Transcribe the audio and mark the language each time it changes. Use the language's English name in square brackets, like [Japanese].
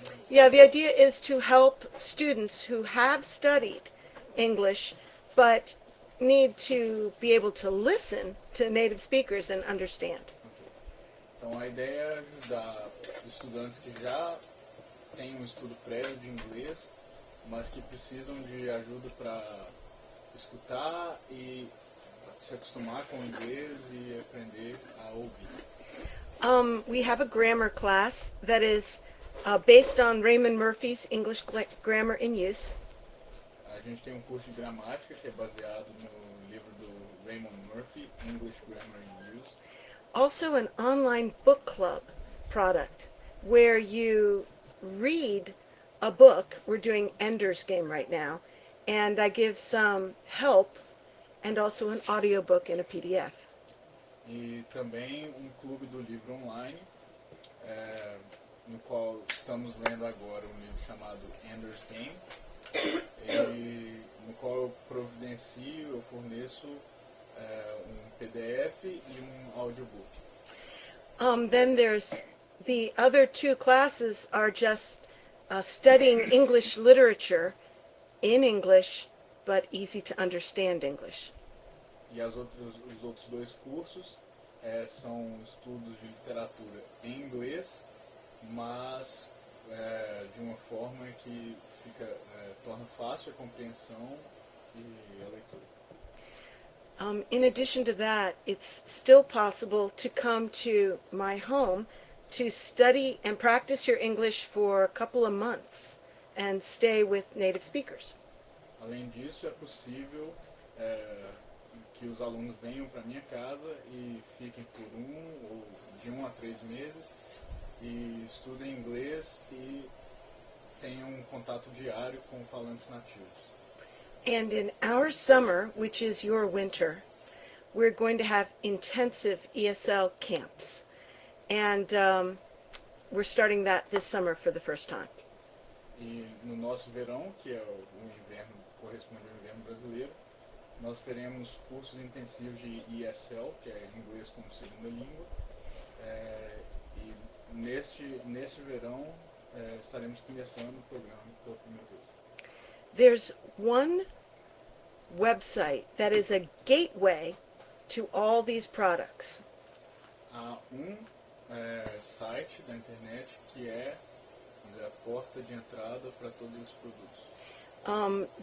[English] Yeah, the idea is to help students who have studied English but need to be able to listen to native speakers and understand. [Portuguese] Então, a ideia é ajudar estudantes que já têm um estudo prévio de inglês, mas que precisam de ajuda para escutar e se acostumar com o inglês e aprender a ouvir. [English] We have a grammar class that is based on Raymond Murphy's English Grammar in Use. [Portuguese] A gente tem um curso de gramática que é baseado no livro do Raymond Murphy, English Grammar in Use. [English] Also an online book club product where you read a book. We're doing Ender's Game right now, and I give some help and also an audiobook in a PDF. [Portuguese] E também um clube do livro online, no qual estamos lendo agora um livro chamado Ender's Game, e no qual eu forneço um PDF e um audiobook. [English] Then there's the other two classes are just studying English literature in English, but easy to understand English. [Portuguese] E os outros dois cursos são estudos de literatura em inglês, mas de uma forma que torna fácil a compreensão e a leitura. [English] In addition to that, it's still possible to come to my home to study and practice your English for a couple of months and stay with native speakers. [Portuguese] Além disso, é possível que os alunos venham para minha casa e fiquem por de um a três meses e estudem inglês e tenham um contato diário com falantes nativos. [English] And in our summer, which is your winter, we're going to have intensive ESL camps. And we're starting that this summer for the first time. [Portuguese] E no nosso verão, que é o inverno corresponde ao inverno brasileiro, nós teremos cursos intensivos de ESL, que é inglês como segunda língua, e neste verão estaremos começando o programa pela primeira vez. [English] There's one website that is a gateway to all these products. [Portuguese] Há um site da internet que é a porta de entrada para todos os produtos.